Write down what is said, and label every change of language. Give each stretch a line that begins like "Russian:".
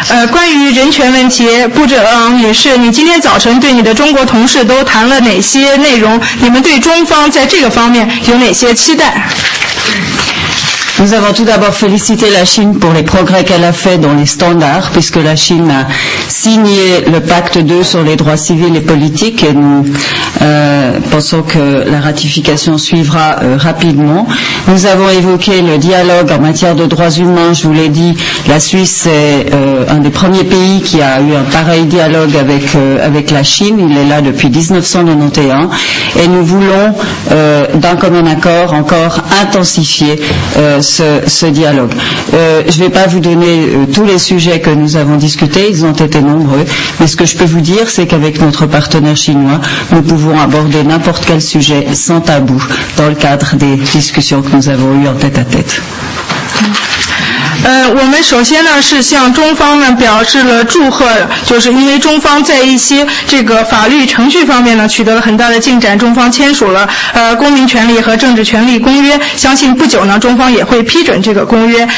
Chinese: 关于人权问题，部长女士，你今天早晨对你的中国同事都谈了哪些内容？你们对中方在这个方面有哪些期待？
French: Nous avons tout d'abord félicité la Chine pour les progrès qu'elle a fait dans les standards, puisque la Chine a signé le pacte 2 sur les droits civils et politiques, et nous pensons que la ratification suivra rapidement. Nous avons évoqué le dialogue en matière de droits humains. Je vous l'ai dit, la Suisse est un des premiers pays qui a eu un pareil dialogue avec la Chine. Il est là depuis 1991, et nous voulons d'un commun accord encore intensifier ce dialogue. Je ne vais pas vous donner tous les sujets que nous avons discutés, ils ont été nombreux, mais ce que je peux vous dire, c'est qu'avec notre partenaire chinois, nous pouvons aborder n'importe quel sujet sans tabou dans le cadre des discussions que nous avons eues en tête à tête.
Chinese: 我们首先呢是向中方呢表示了祝贺，就是因为中方在一些这个法律程序方面呢取得了很大的进展，中方签署了公民权利和政治权利公约，相信不久呢中方也会批准这个公约。